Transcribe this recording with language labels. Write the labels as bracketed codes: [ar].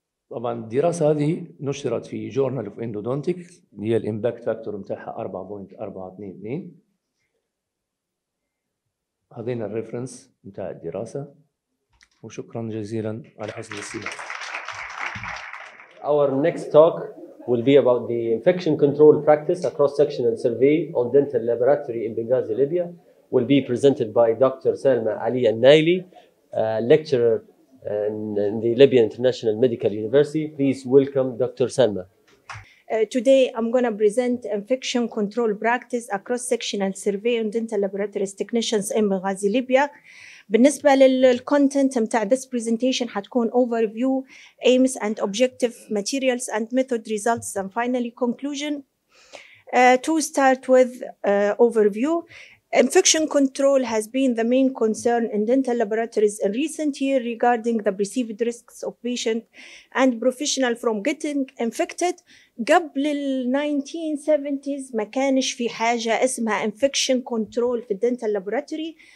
[ar] طبعا الدراسة هذه نشرت في Journal of Endodontic، هي الإمباكت فاكتور متاحها 4.422، هذين الريفرنس متاع الدراسة. وشكرا جزيلا على حسن الاستماع. [en] Our next talk will be about the infection control practice, a cross-sectional survey on dental laboratory in Benghazi, Libya, will be presented by Dr. Salma Ali Al-Naili, lecturer in the Libyan International Medical University. Please welcome Dr. Salma. Today I'm going to present infection control practice, a cross-sectional survey on dental laboratories technicians in Benghazi, Libya, [ar] بالنسبة للcontent متاع [en] this presentation [ar] حتكون [en] overview, aims and objective, materials and method results and finally conclusion. To start with overview, infection control has been the main concern in dental laboratories in recent years regarding the perceived risks of patient and professional from getting infected. [ar] قبل ال 1970s ما كانش في حاجة اسمها infection control في dental laboratory.